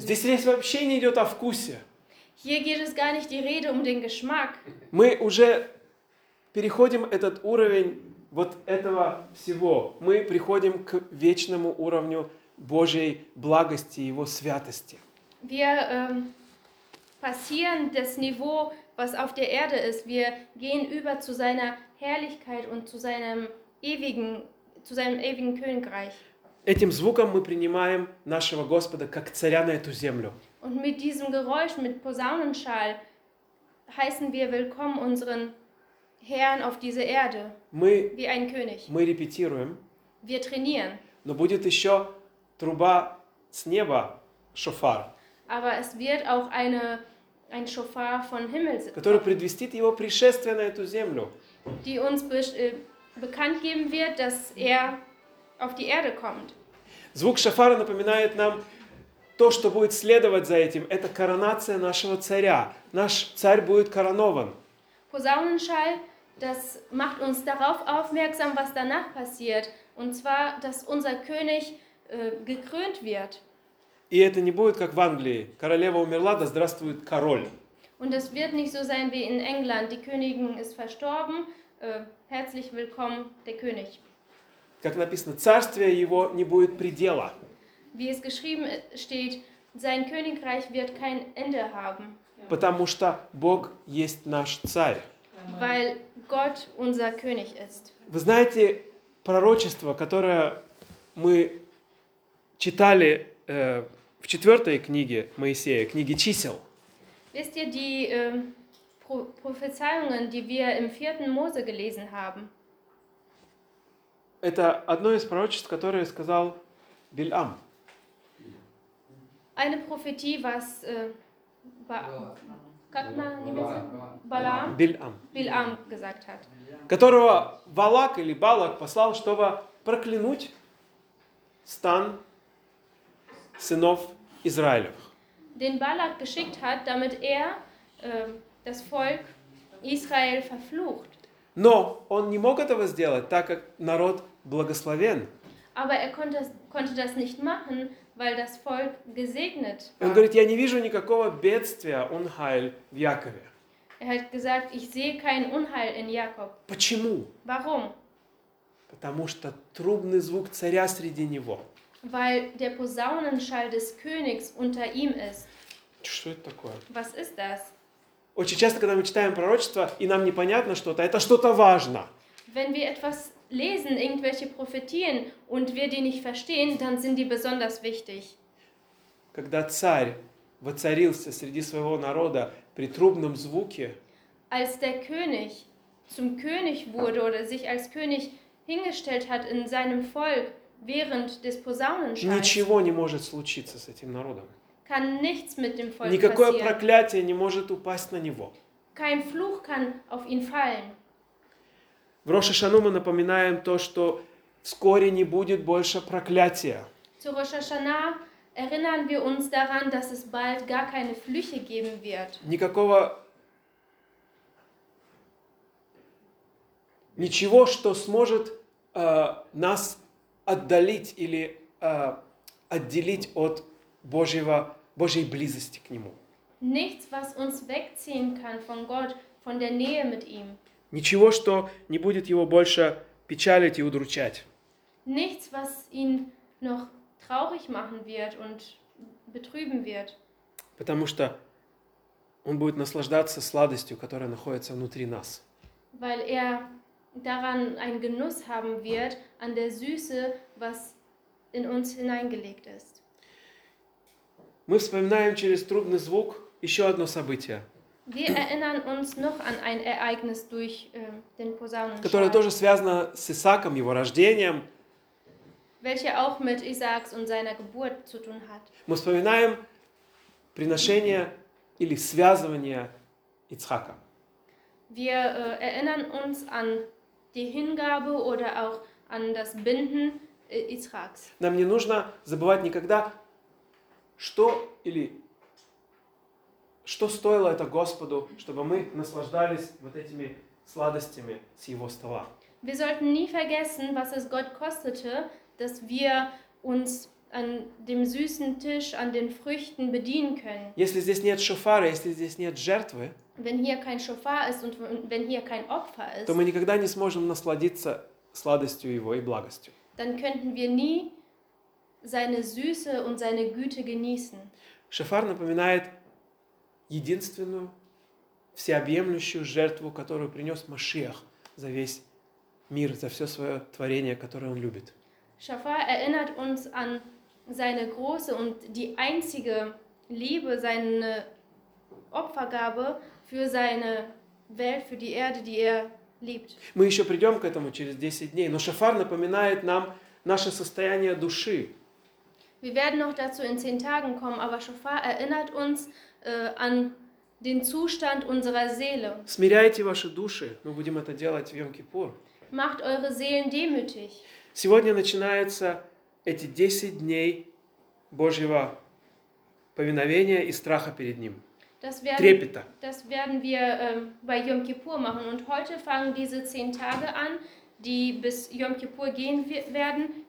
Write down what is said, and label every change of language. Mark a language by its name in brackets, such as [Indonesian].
[Russian] Здесь речь вообще не идет о вкусе. [German] Hier geht es gar nicht die Rede um den Geschmack. [Russian] Мы уже переходим этот уровень вот этого всего. Мы приходим к вечному уровню Божьей благости, Его святости. [German] Passieren das Niveau, was auf der Erde ist. Wir gehen über zu seiner Herrlichkeit und zu seinem ewigen Königreich. [Russian] этим звуком мы принимаем нашего Господа как царя на эту землю. [German] Und mit diesem Geräusch, mit Posaunenschall, heißen wir willkommen unseren Herrn auf diese Erde. [Russian] Мы, [German] wie ein König. [Russian] Мы репетируем. [German] Wir trainieren. [Russian] Но будет еще труба с неба, шофар. [German] Aber es wird auch eine ein Schofar von Himmel, [Russian] который предвестит его пришествие на эту землю. [German] Die uns bekannt geben wird, dass er auf die Erde kommt. [Russian] Звук шофара напоминает нам то, что будет следовать за этим, это коронация нашего царя. Наш царь будет коронован. [German] Posaunenschall, das macht uns darauf aufmerksam, was danach passiert, und zwar, dass unser König gekrönt wird. [Russian] И это не будет как в Англии. Королева умерла, да здравствует король. [German] Und das wird nicht so sein wie in England. Die Königin ist verstorben. Herzlich willkommen, der König. [Russian] Как написано, царствие его не будет предела. [German] Wie es geschrieben steht, sein Königreich wird kein Ende haben. [Russian] Потому что Бог есть наш царь. [German] Weil Gott unser König ist. [Russian] Вы знаете пророчество, которое мы читали в четвертой книге Моисея, книге чисел? [German] Wisst ihr die Prophezeiungen, die wir im vierten Mose gelesen haben? [Russian] Это одно из пророчеств, которое сказал Бильам. [German] Eine Prophetie, was Balaam gesagt hat. [Russian] Которого Валак или Балак послал, чтобы проклянуть стан сынов Израилев. [German] Den Balak geschickt hat, damit er das Volk Israel verflucht. [Russian] Но он не мог этого сделать, так как народ благословен. [German] Aber er konnte das nicht machen, weil das Volk gesegnet war. [Russian] Он говорит, я не вижу никакого бедствия, [German] Unheil [Russian] в Якове. [German] Er hat gesagt, ich sehe kein Unheil in Jakob. [Russian] Почему? [German] Warum? [Russian] Потому что трубный звук царя среди него. [German] Weil der Posaunenschall des Königs unter ihm ist. [Russian] Что это такое? [German] Was ist das? [Russian] Очень часто, когда мы читаем пророчество, и нам непонятно что-то, это что-то важно. [German] Wenn wir etwas lesen, irgendwelche Prophetien, und wir die nicht verstehen, dann sind die besonders wichtig. [Russian] Когда царь воцарился среди своего народа при трубном звуке, [German] als der König zum König wurde oder sich als König hingestellt hat in seinem Volk, während des Posaunenschalls, [Russian] ничего не может случиться с этим народом. [German] Kann nichts mit dem Volk [Russian] никакое [German] passieren. [Russian] Проклятие не может упасть на него. [German] Kein Fluch kann auf ihn fallen. [Russian] В Рошашану мы напоминаем то, что вскоре не будет больше проклятия. [German] Zu Rosh-Hashana erinnern wir uns daran, dass es bald gar keine Flüche geben wird. [Russian] Никакого ничего, что сможет нас отдалить или отделить от Божьей близости к Нему. [German] Nichts, was uns wegziehen kann von Gott, von der Nähe mit ihm. [Russian] Ничего, что не будет его больше печалить и удручать. [German] Nichts, was ihn noch traurig machen wird und betrüben wird. [Russian] Потому что он будет наслаждаться сладостью, которая находится внутри нас. [German] Weil er daran einen Genuss haben wird, an der Süße, was in uns hineingelegt ist. [Russian] Мы вспоминаем через трубный звук еще одно событие. [German] Wir erinnern uns noch an ein Ereignis durch den Posaunenschall. [Russian] Которое тоже связано с Исааком, его рождением. [German] Welche auch mit Isaaks und seiner Geburt zu tun hat. [Russian] Мы вспоминаем приношение или связывание Ицхака. [German] Wir erinnern uns an die Hingabe oder auch an das Binden Ицхакс. [Russian] Нам не нужно забывать никогда, что или что стоило это Господу, чтобы мы наслаждались вот этими сладостями с Его стола. [German] Wir sollten nie vergessen, was es Gott kostete, dass wir uns an dem süßen Tisch, an den Früchten bedienen können. [Russian] Если здесь нет шофара, если здесь нет жертвы, [German] wenn hier kein Schofar ist und wenn hier kein Opfer ist, [Russian] то мы никогда не сможем насладиться сладостью Его и благостью. [German] Dann könnten wir nie seine Süße und seine Güte genießen. [Russian] Шофар напоминает единственную всеобъемлющую жертву, которую принес Машиах за весь мир, за все свое творение, которое он любит. [German] Schafar erinnert uns an seine große und die einzige Liebe, seine Opfergabe für seine Welt, für die Erde, die er liebt. [Russian] Мы еще придем к этому через 10 дней, но Шафар напоминает нам наше состояние души. [German] Wir werden noch dazu in 10 Tagen kommen, aber Schafar erinnert uns an den Zustand unserer Seele. [Russian] Смиряйте ваши души, мы будем это делать в Йом-Кипур. [German] Macht eure Seelen demütig. [Russian] Сегодня начинаются эти 10 дней Божьего повиновения и страха перед Ним. Трепета. [German] Das werden wir bei Yom Kippur machen. Und heute fangen diese 10 Tage an, die bis Yom Kippur gehen werden.